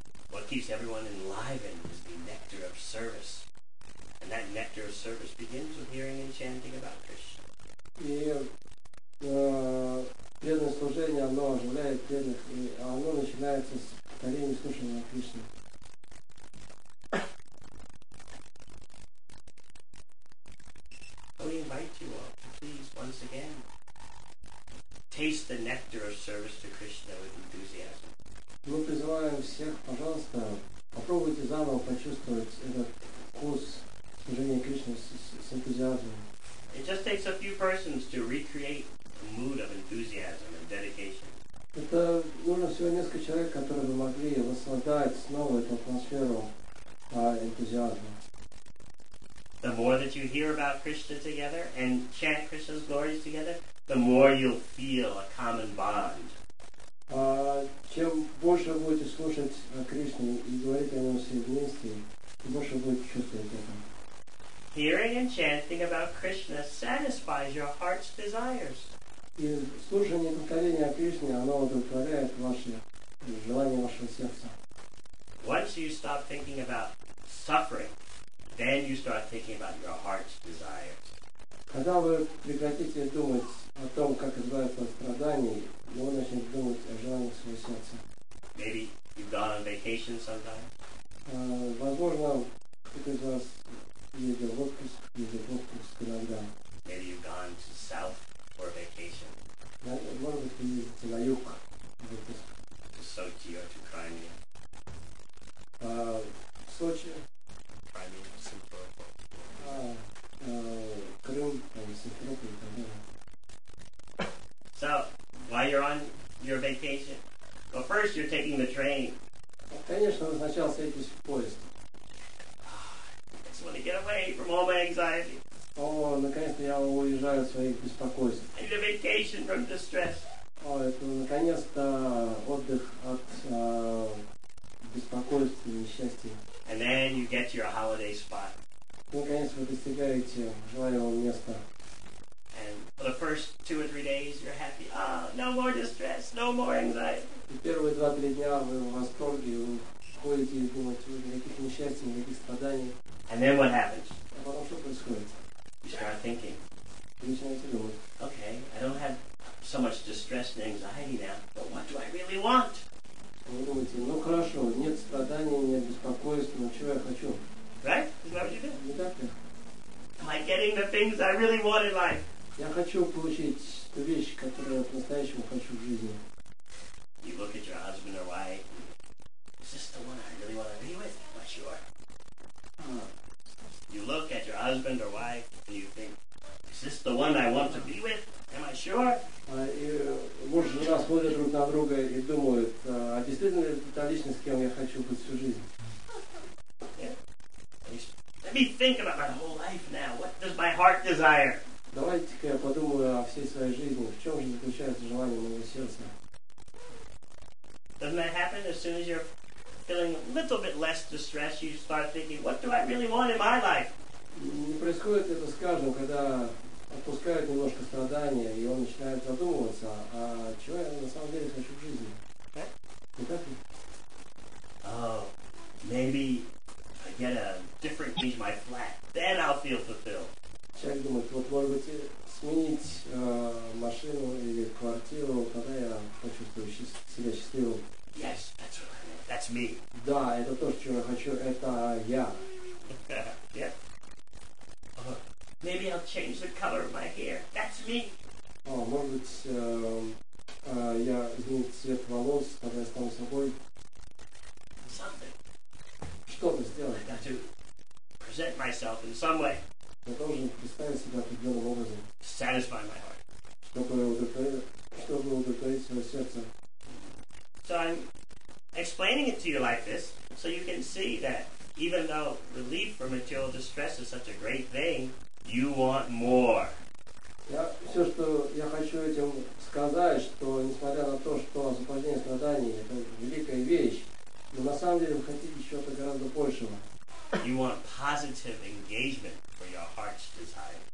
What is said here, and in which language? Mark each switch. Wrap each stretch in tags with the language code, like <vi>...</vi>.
<en>What keeps everyone enlivened is the nectar of service. And that nectar of service begins with hearing and chanting about Krishna.</en> <ru>И преданное служение, оно оживляет преданных, и оно начинается с повторения слушания Кришны.</ru> <en>We invite you all to please once again taste the nectar of service to Krishna with enthusiasm.</en> <ru>Мы призываем всех, пожалуйста, попробуйте завтра. заново почувствовать этот вкус служения Кришне с энтузиазмом.</ru> <en>It just takes a few persons to recreate a mood of enthusiasm and dedication.</en> <ru>Это нужно всего несколько человек, которые бы могли воссоздать снова эту атмосферу энтузиазма.</ru> <en>The more that you hear about Krishna together and chant Krishna's glories together, the more you'll feel a common bond.</en> <ru>Чем больше будете слушать о Кришне и говорить о нем все вместе, тем больше будете чувствовать это.</ru> <en>Hearing and chanting about Krishna satisfies your heart's desires.</en> <ru>И слушание и повторение о Кришне, оно удовлетворяет ваши желания вашего сердца.</ru> <en>Once you stop thinking about suffering, then you start thinking about your heart's desires.</en> <ru>Когда вы прекратите думать о том, как избавиться от страданий, вы начнете думать о желаниях своего сердца.</ru> <en>Maybe you've gone on vacation sometime.</en> <ru>Возможно, кто-то из вас ездил в отпуск, иногда.</ru> <en>Maybe you've gone to south for vacation.</en> <ru>Может быть, вы ездите на юг в отпуск.</ru> <en>To Sochi or to Crimea.</en> <ru>Сочи.</ru> <en>Crimea, Симферополь.</en> <ru>Крым, там, Симферополь и так далее.</ru> <en>So, while you're on your vacation, well, first you're taking the train.</en> <ru>Конечно, вы сначала садитесь в поезд.</ru> <en>I just want to get away from all my anxiety.</en> <ru>О, наконец-то я уезжаю от своих беспокойств.</ru> <en>I need a vacation from distress.</en> <ru>О, это наконец-то отдых от беспокойств и несчастья.</ru> <en>And then you get to your holiday spot.</en> <ru>Наконец-то вы достигаете желаемого места.</ru> <en>And for the first 2 or 3 days, you're happy. No more distress, no more anxiety.</en> <ru>Первые 2-3 дня вы в восторге, вы ходите и думаете, никаких несчастий, никаких страданий.</ru> <en>And then what happens?</en> <ru>А потом что происходит?</ru> <en>You start thinking.</en> <ru>Вы начинаете думать.</ru> <en>Okay, I don't have so much distress and anxiety now, but what do I really want?</en> <ru>Вы думаете, хорошо, нет страданий, нет беспокойств, но чего я хочу?</ru> <en>Right? Is that what you do?</en> <ru>Не так ли?</ru> <en>Am I getting the things I really want in life?</en> <ru>Я хочу получить ту вещь, которую я по-настоящему хочу в жизни.</ru> <en>You look at your husband or wife. Is this the one I really want to be with? I'm not sure. You look at your husband or wife and you think, is this the one I want to be with? Am I sure?</en> <ru>И муж и жена смотрят друг на друга и думают, а действительно ли это та личность, с кем я хочу быть всю жизнь?</ru> <en>Let me think about my whole life now. What does my heart desire?</en> <ru>Давайте-ка я подумаю о всей своей жизни. В чем же заключается желание моего сердца?</ru> <en>Doesn't that happen as soon as you're feeling a little bit less distressed, you start thinking, what do I really want in my life?</en> <ru>Не происходит это, скажем, когда отпускают немножко страдания, и он начинает задумываться, а чего я на самом деле хочу в жизни? Не так ли?</ru> <en>Maybe I get a different change in my flat, then I'll feel fulfilled.</en> <ru>Человек думает, может быть, сменить машину или квартиру, тогда я почувствую себя счастливым.</ru> <en>Yes, that's what I mean. That's me.</en> <ru>Да, это то, что я хочу, это я.</ru> <en>Yeah. Maybe I'll change the color of my hair. That's me.</en> <ru>Может быть, я изменю цвет волос, тогда я стану собой.</ru> <en>Something.</en> <ru>Что-то сделать.</ru> <en>I got to present myself in some way.</en> <ru>Я должен представить себя определенным образом.</ru> <en>Satisfy my heart.</en> <ru>Чтобы удовлетворить свое сердце.</ru> <en>So I'm explaining it to you like this, so you can see that even though relief from material distress is such a great thing, you want more.</en> <ru>Я все, что я хочу этим сказать, что несмотря на то, что освобождение страданий это великая вещь, но на самом деле вы хотите чего-то гораздо большего.</ru> <en>You want positive engagement for your heart's desires.</en>